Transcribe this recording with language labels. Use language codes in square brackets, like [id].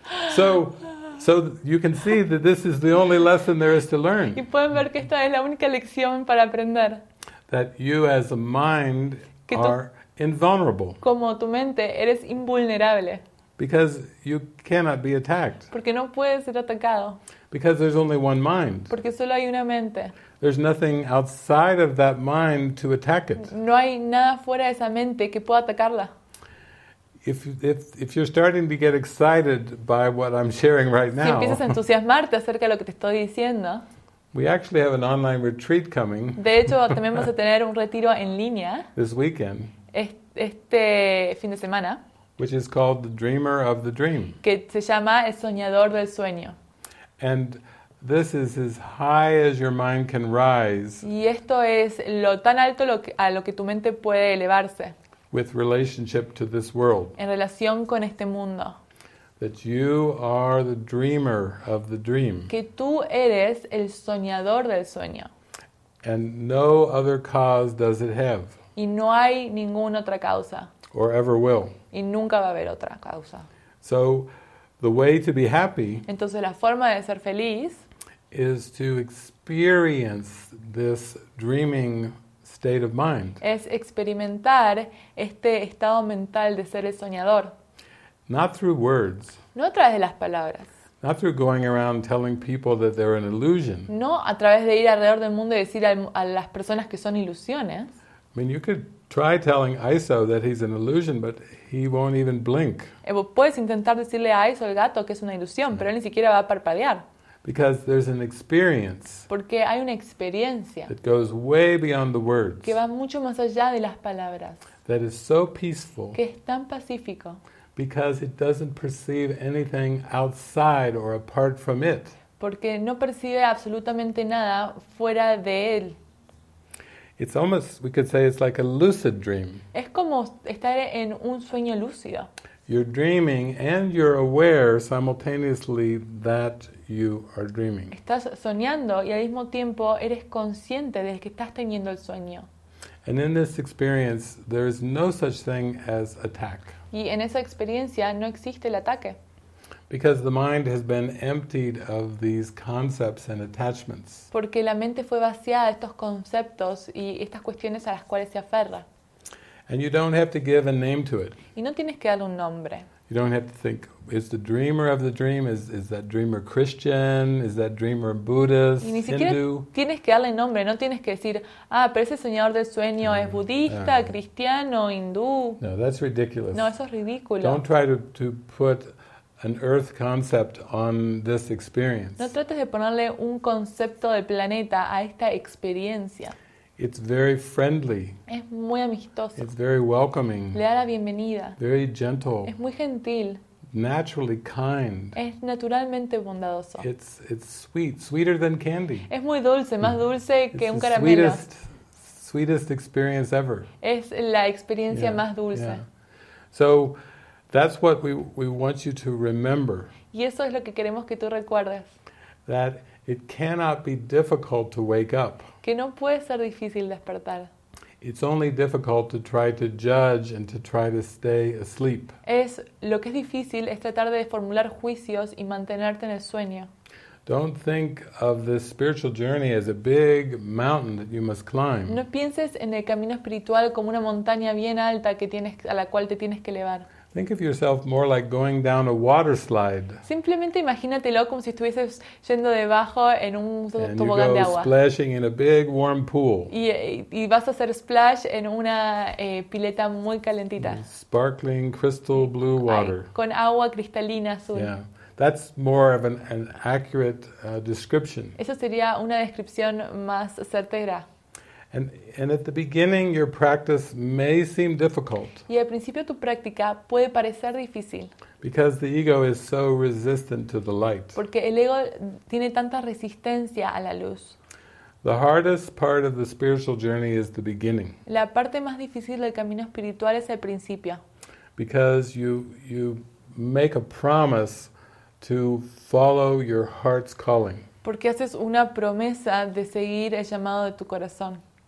[en] So you can see that this is the only lesson there is to learn. [es] Y pueden ver que esta es la única lección para aprender. [en] That you as a mind are invulnerable. [es] Como tu mente eres invulnerable. [en] Because you cannot be attacked. [es] Porque no puedes ser atacado. [en] Because there's only one mind. [es] Porque solo hay una mente. [en] There's nothing outside of that mind to attack it. [es] No hay nada fuera de esa mente que pueda atacarla. [en] If you're starting to get excited by what I'm sharing right now, [es] si empiezas a entusiasmarte acerca de lo que te estoy diciendo, [en] we actually have an online retreat coming. [es] De hecho, también vamos a tener un retiro en línea [en] this weekend. [es] Este fin de semana, [en] which is called the Dreamer of the Dream. [es] Que se llama el soñador del sueño. [en] And this is as high as your mind can rise. [es] Y esto es lo tan alto a lo que tu mente puede elevarse. [en] With relationship to this world. [es] En relación con este mundo. [en] That you are the dreamer of the dream. [es] Que tú eres el soñador del sueño. [en] And no other cause does it have. [es] Y no hay ninguna otra causa. [en] Or ever will. [es] Y nunca va a haber otra causa. [en] So, the way to be happy. [es] Entonces la forma de ser feliz. [en] Is to experience this dreaming state of mind. [es] Es experimentar este estado mental de ser el soñador. [en] Not through words. [es] No a través de las palabras. [en] Not through going around telling people that they're an illusion. [es] No a través de ir alrededor del mundo y decir a las personas que son ilusiones. [en] I mean, you could try telling ISO that he's an illusion, but he won't even blink. [es] Puedes intentar decirle a ISO, el gato, que es una ilusión, pero él ni siquiera va a parpadear. [en] Because there's an experience. [es] Porque hay una experiencia. [en] That goes way beyond the words. [es] Que va mucho más allá de las palabras. [en] That is so peaceful. [es] Que es tan pacífico. [en] Because it doesn't perceive anything outside or apart from it. [es] Porque no percibe absolutamente nada fuera de él. [en] It's almost, we could say, it's like a lucid dream. [es] Es como estar en un sueño lúcido. [en] You're dreaming and you're aware simultaneously that you are dreaming. [es] Estás soñando y al mismo tiempo eres consciente de que estás teniendo el sueño. [en] And in this experience, there is no such thing as attack. [es] Y en esa experiencia no existe el ataque. [en] Because the mind has been emptied of these concepts and attachments. [es] Porque la mente fue vaciada de estos conceptos y estas cuestiones a las cuales se aferra. [en] And you don't have to give a name to it. [es] Y no tienes que darle un nombre. [en] You don't have to think, is the dreamer of the dream, is that dreamer Christian, is that dreamer Buddhist, [es] y ni siquiera [en] Hindu? [es] Tienes que darle nombre, no tienes que decir, pero ese soñador del sueño es budista, cristiano, hindú. [en] No, that's ridiculous. [es] No, eso es ridículo. [en] Don't try to put an earth concept on this experience. [es] No trates de ponerle un concepto de planeta a esta experiencia. [en] It's very friendly. [es] Es muy amistoso. [en] It's very welcoming. [es] Le da la bienvenida. [en] Very gentle. [es] Es muy gentil. [en] Naturally kind. [es] Es naturalmente bondadoso. [en] It's sweet, sweeter than candy. [es] Es muy dulce, más dulce que [en] it's [es] un caramelo. [en] Sweetest experience ever. [es] Es la experiencia más dulce. [en] Yeah. So that's what we want you to remember. [es] Y eso es lo que queremos que tú recuerdes. [en] That it cannot be difficult to wake up. [es] Que no puede ser difícil despertar. [en] It's only difficult to try to judge and to try to stay asleep. [es] Es lo que es difícil es tratar de formular juicios y mantenerte en el sueño. [en] Don't think of this spiritual journey as a big mountain that you must climb. [es] No pienses en el camino espiritual como una montaña bien alta que tienes a la cual te tienes que elevar. [en] Think of yourself more like going down a water slide. [es] Simplemente imagínatelo como si estuvieses yendo debajo en un tobogán de agua. [en] And you go splashing in a big warm pool. [es] Y vas a hacer splash en una pileta muy calentita. [en] Sparkling crystal blue water. [es] Con agua cristalina azul. [en] Yeah. That's more of an accurate description. [es] Eso sería una descripción más certera. [en] And at the beginning, your practice may seem difficult. [es] Y al principio tu práctica puede parecer difícil. [en] Because the ego is so resistant to the light. [es] Porque el ego tiene tanta resistencia a la luz. [en] The hardest part of the spiritual journey is the beginning. [es] La parte más difícil del camino espiritual es el principio. [en] Because you make a promise to follow your heart's calling. [es] Porque haces una promesa de seguir el llamado de tu corazón.